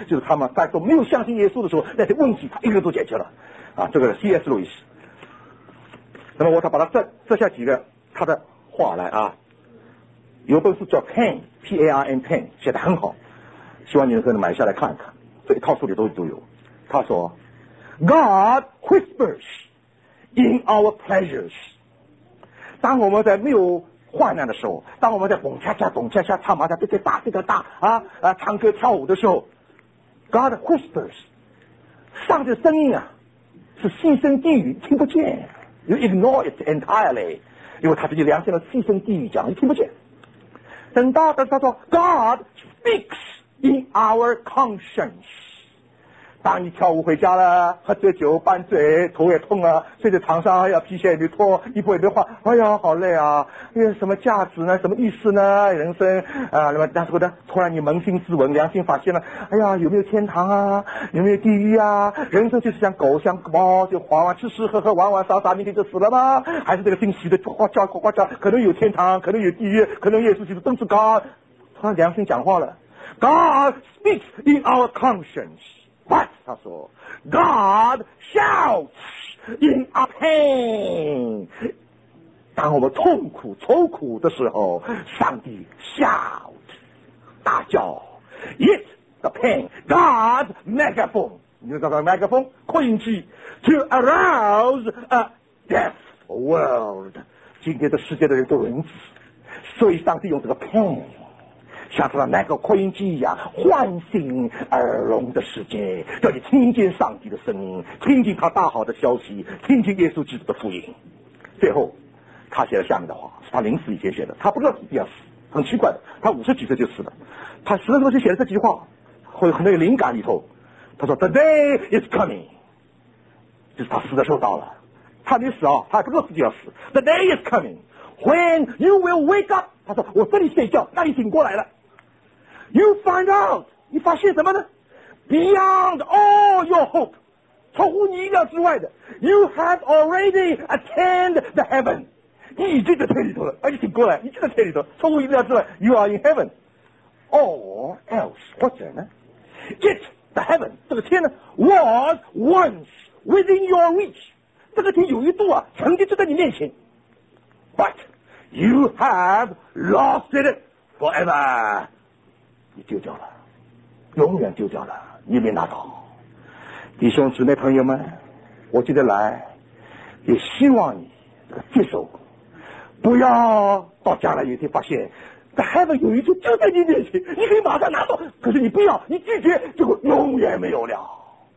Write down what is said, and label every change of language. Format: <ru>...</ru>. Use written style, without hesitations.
<zh>就是他们在都没有相信耶稣的时候，那些问题他一个都解决了。啊，这个是 C.S. 路易斯。那么我再把他这下几个他的话来啊，有本书叫 Pain P.A.R.N. Pain， 写得很好，希望你能够买下来看一看，这一套书里都有。他说</zh> <en>，God whispers。 In our pleasures，</en> <zh>当我们在没有患难的时候，当我们在蹦恰恰蹦恰恰唱麻将这个大这个大啊啊唱歌跳舞的时候 ，</zh> <en>God whispers，</en> <zh>上帝的声音啊是细声低语，听不见 ，</zh> <en>You ignore it entirely，</en> <zh>因为他自己良心的细声低语讲，你听不见。等到他说</zh> <en>God speaks in our conscience。</en> <zh>当你跳舞回家了，喝醉酒拌醉，头也痛啊，睡在床上还要皮鞋也没脱，衣服也没换，哎呀好累啊，因为什么价值呢，什么意思呢，人生啊，那么那时候呢突然你扪心自问，良心发现了，哎呀有没有天堂啊，有没有地狱啊，人生就是像狗像猫就滑滑吃吃喝喝玩玩耍耍，明天就死了吗，还是这个姓徐的呱叫呱叫，可能有天堂，可能有地狱，可能耶稣基督登至高，突然良心讲话了，</zh> <en>God speaks in our conscience. But,</en> <zh>他说,</zh> <en>God shouts in our pain.</en> <zh>当我们痛苦愁苦的时候，上帝 shout, 大叫。</zh> <en>It's the pain. God's megaphone.</en> <zh>你知道什么</zh> <en>megaphone?</en> <zh>扩音器</zh> <en>To arouse a deaf world.</en> <zh>今天的世界的人都如此。所以上帝用这个 pain, 像是那个扩音机一样唤醒耳聋的世界，叫你听见上帝的声音，听见他大好的消息，听见耶稣基督的福音。最后他写了下面的话，是他临死以前写的，他不知道自己要死，很奇怪的，他五十几岁就死了，他十多岁写了这几句话，会很有灵感里头，他说</zh> <en>The day is coming,</en> <zh>就是他死的时候到了，他没死啊，他还不知道自己要死。</zh> <en>The day is comingWhen you will wake up,</en> <zh>他说我这里睡觉，那里醒过来了。</zh> <en>You find out,</en> <zh>你发现什么呢？</zh> <en>Beyond all your hope,</en> <zh>超乎你意料之外的。</zh> <en>You have already attained the heaven,</en> <zh>你已经在天里头了，而且醒过来，你就在天里头，超乎意料之外。</zh> <en>You are in heaven. Or else,</en> <zh>或者呢？</zh> <en>It, the heaven,</en> <zh>这个天呢，</zh> <en>was once within your reach,</en> <zh>这个天有一度啊，曾经就在你面前。</zh> <en>But you have lost it forever.</en> <zh>你丢掉了，永远丢掉了，你没拿到。弟兄姊妹朋友们，我今天来也希望你接受，不要到将来有一天发现</zh> <en>the heaven</en> <zh>有一处就在你面前，你可以马上拿到，可是你不要，你拒绝，结果永远没有了。</zh>